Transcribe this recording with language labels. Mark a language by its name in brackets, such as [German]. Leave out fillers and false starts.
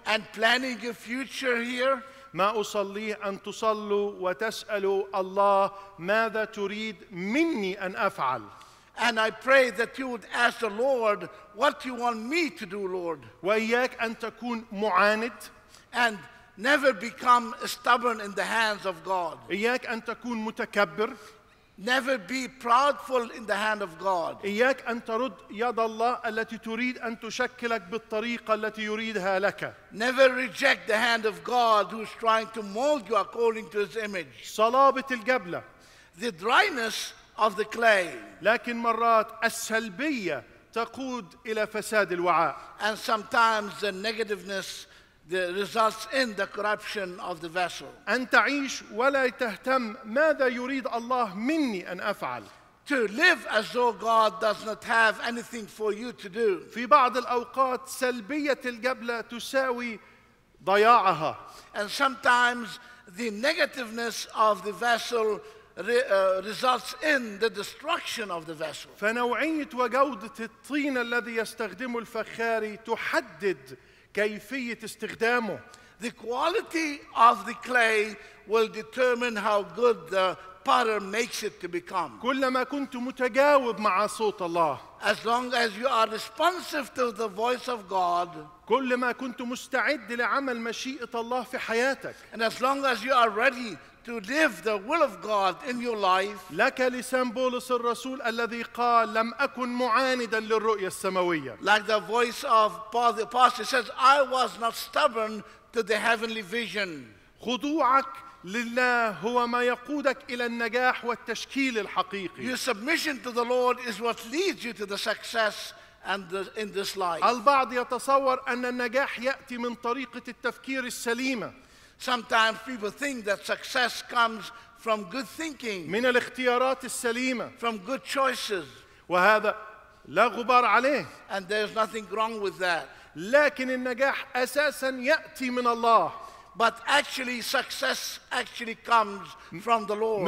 [English] And planning your future here. [Arabic] ما أصليه أن تصلوا وتسألوا الله ماذا تريد مني أن أفعل. [English] And I pray that you would ask the Lord what you want me to do, Lord. [Arabic] وإياك أن تكون معاند. [English] And never become stubborn in the hands of God. [Arabic] إياك أن تكون متكبر. [English] Never be proudful in the hand of God. [Arabic] إياك أن ترد يد الله التي تريد أن تشكلك بالطريقة التي يريدها لك. [English] Never reject the hand of God who's trying to mold you according to his image. [Arabic] صلابة القبلة. [English] The dryness of the clay. [Arabic] لكن مرات السلبية تقود إلى فساد الوعاء. [English] And sometimes the negativeness that results in the corruption of the vessel. [Arabic] أن تعيش ولا تهتم ماذا يريد الله مني أن أفعل. [English] To live as though God does not have anything for you to do. [Arabic] في بعض الأوقات سلبية القبلة تساوي ضياعها. [English] And sometimes the negativeness of the vessel results in the destruction of the vessel. [Arabic] فنوعية وجودة الطين الذي يستخدمه الفخاري تحدد كيفية استخدامه. [English] The quality of the clay will determine how good the potter makes it to become. [Arabic] كلما كنت متجاوب مع صوت الله. [English] As long as you are responsive to the voice of God. [Arabic] كلما كنت مستعد لعمل مشيئة الله في حياتك. [English] And as long as you are ready to live the will of God in your life. [Arabic] لك لسان بولس الرسول الذي قال لم أكن معاندا للرؤية السماوية. [English] Like the voice of Paul the apostle says, I was not stubborn to the heavenly vision. [Arabic] خضوعك لله هو ما يقودك إلى النجاح والتشكيل الحقيقي. [English] Your submission to the Lord is what leads you to the success and in this life. [Arabic] البعض يتصور أن النجاح يأتي من طريقة التفكير السليمة. [English] Sometimes people think that success comes from good thinking. [Arabic] من الاختيارات السليمة. [English] From good choices. [Arabic] وهذا لا غبار عليه. [English] And there's nothing wrong with that. [Arabic] لكن النجاح أساسا يأتي من الله. [English] But actually success actually comes from the Lord.